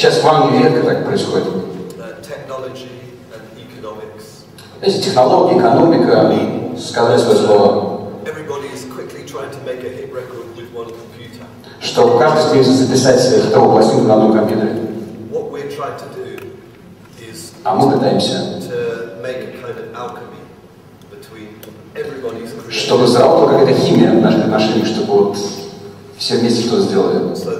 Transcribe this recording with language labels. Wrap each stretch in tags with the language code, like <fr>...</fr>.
<ru>Сейчас в Англии редко так происходит.</ru> <en>Technology and economics.</en> <ru>Эти технологии, экономика, сказали свое слово.</ru> <en>Everybody is quickly trying to make a hit record with one computer.</en> <ru>Что каждый стремится записать себе хитовую пластинку на одном компьютере.</ru> <en>What we're trying to do is to make a kind of alchemy between everybody's.</en> <ru>Чтобы заработала какая-то химия в наших отношениях, чтобы вот все вместе что-то сделали.</ru>